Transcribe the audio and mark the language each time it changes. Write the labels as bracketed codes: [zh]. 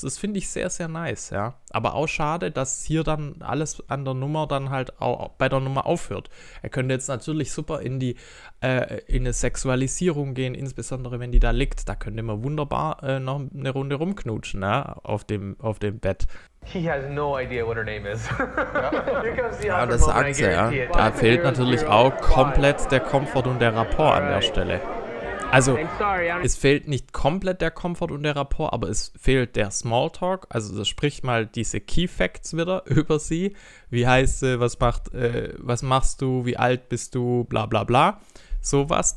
[de] Das finde ich sehr, sehr nice, ja. Aber auch schade, dass hier dann alles an der Nummer dann halt auch bei der Nummer aufhört. Er könnte jetzt natürlich super in die in eine Sexualisierung gehen, insbesondere wenn die da liegt. Da könnte man wunderbar noch eine Runde rumknutschen, ne, auf dem Bett. [en] He has no idea what her name is. [de] Ja, das sagt sie, ja. Da fehlt natürlich auch komplett der Komfort und der Rapport an der Stelle. Also, es fehlt nicht komplett der Komfort und der Rapport, aber es fehlt der Smalltalk. Also, das spricht mal diese Key Facts wieder über sie. Wie heißt sie? Was machst du? Wie alt bist du? Bla, bla, bla. Sowas.